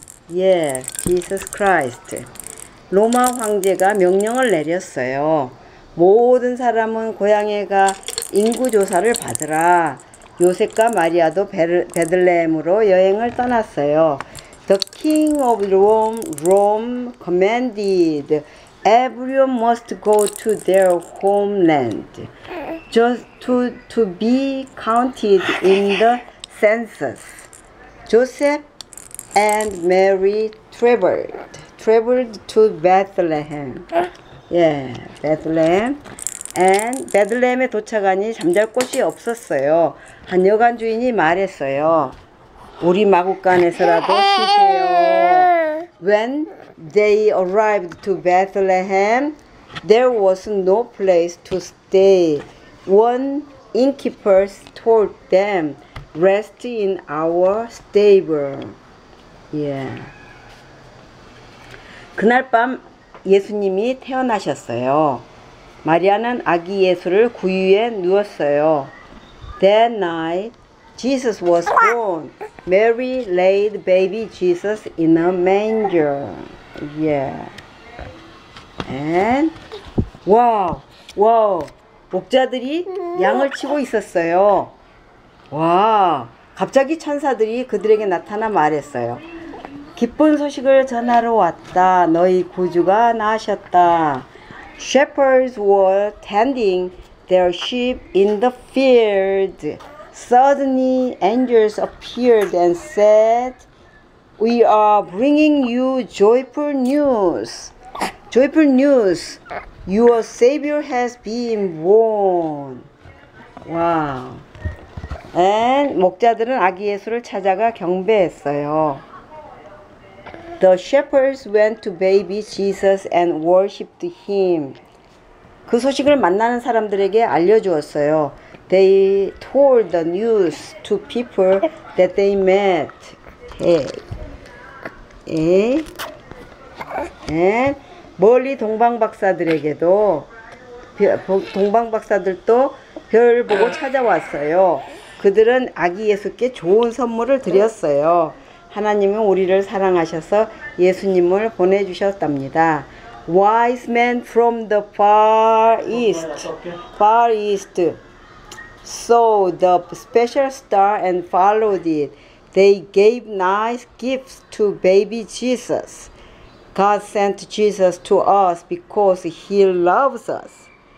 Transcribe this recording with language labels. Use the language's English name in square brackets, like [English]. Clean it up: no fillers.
[English] Yeah, Jesus Christ. [Korean] 로마 황제가 명령을 내렸어요. 모든 사람은 고향에 가 인구조사를 받으라. 요셉과 마리아도 베들레헴으로 여행을 떠났어요. [English] The king of Rome commanded everyone must go to their homeland just to be counted in the census. Joseph and Mary traveled to Bethlehem. Yeah, Bethlehem. And [Korean] Bethlehem에 도착하니 잠잘 곳이 없었어요. 한 여관 주인이 말했어요. 우리 마구간에서라도 쉬세요. [English] When they arrived to Bethlehem, there was no place to stay. One innkeeper told them, rest in our stable. Yeah. [Korean] 그날 밤 예수님이 태어나셨어요. 마리아는 아기 예수를 구유에 누웠어요. [English] That night, Jesus was born. Mary laid baby Jesus in a manger. Yeah. And, wow, wow. [Korean] 목자들이 양을 치고 있었어요. 와, 갑자기 천사들이 그들에게 나타나 말했어요. 기쁜 소식을 전하러 왔다. 너희 구주가 나셨다. [English] Shepherds were tending their sheep in the field. Suddenly, angels appeared and said, We are bringing you joyful news. Joyful news. Your Savior has been born. Wow. [Korean] And 목자들은 아기 예수를 찾아가 경배했어요. [English] The shepherds went to baby Jesus and worshipped him. [Korean] 그 소식을 만나는 사람들에게 알려주었어요. [English] They told the news to people that they met. Hey. Hey. [Korean] And 멀리 동방박사들에게도 동방박사들도 별을 보고 찾아왔어요. 그들은 아기 예수께 좋은 선물을 드렸어요. 하나님은 우리를 사랑하셔서 예수님을 보내주셨답니다. [English] Wise men from the far east saw the special star and followed it. They gave nice gifts to baby Jesus. God sent Jesus to us because he loves us.